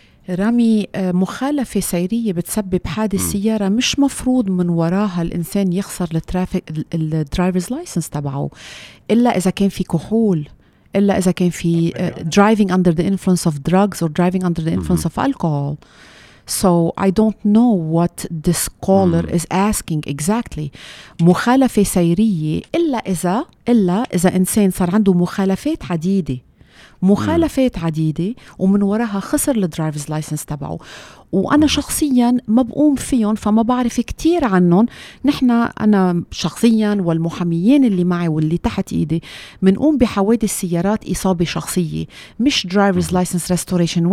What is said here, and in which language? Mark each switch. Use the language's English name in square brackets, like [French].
[Arabic] رامي, مخالفة سيرية بتسبب حادث سيارة مش مفروض من وراها الإنسان يخسر الترافيك الدرايفرز لايسنس تبعه, إلا إذا كان في كحول, إلا إذا كان في [English] driving under the influence of drugs or driving under the influence of alcohol. So I don't know what this caller is asking exactly. [Arabic] مخالفة سيرية إلا إذا إنسان صار عنده مخالفات عديدة, مخالفات عديدة ومن وراها خسر الدرايفز لايسنس تبعه. وأنا شخصيا ما بقوم فيهم فما بعرف كتير عنهم. نحنا أنا شخصيا والمحاميين اللي معي واللي تحت إيدي منقوم بحوادث السيارات إصابة شخصية, مش درايفز لايسنس ريستوريشن.